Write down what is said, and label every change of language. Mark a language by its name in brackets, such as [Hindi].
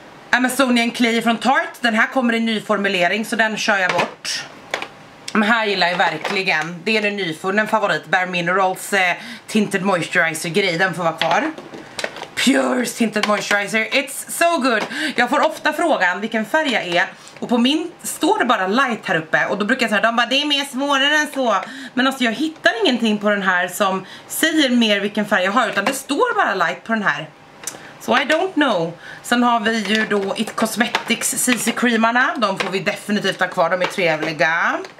[Swedish] Amazonian Clay från Tarte. Den här kommer i ny formulering, så den kör jag bort. Den här gillar jag verkligen, det är den nyfunnen favorit, Bare Minerals Tinted Moisturizer grej, den får vara kvar. [English] Pure Tinted Moisturizer, it's so good. [Swedish] Jag får ofta frågan vilken färg jag är, och på min står det bara light här uppe. Och då brukar jag säga, de bara, det är mer svårare än så. Men alltså jag hittar ingenting på den här som säger mer vilken färg jag har, utan det står bara light på den här. [English] So I don't know. [Swedish] Sen har vi ju då It Cosmetics CC creamarna, de får vi definitivt ha kvar, de är trevliga.